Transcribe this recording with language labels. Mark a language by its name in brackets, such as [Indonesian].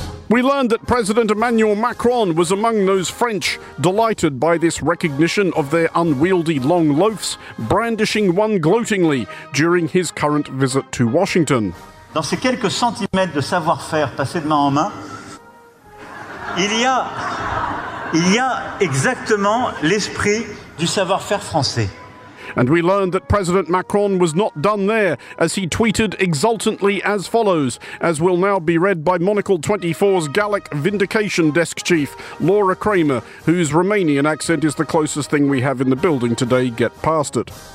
[English] We learned that President Emmanuel Macron was among those French delighted by this recognition of their unwieldy long loafs, brandishing one gloatingly during his current visit to Washington. [French] Dans ces quelques centimètres de savoir-faire passés de main en main, il y a exactement l'esprit du savoir-faire français. [English] And we learned that President Macron was not done there, as he tweeted exultantly as follows, as will now be read by Monocle 24's Gallic Vindication Desk Chief, Laura Kramer, whose Romanian accent is the closest thing we have in the building today. Get past it.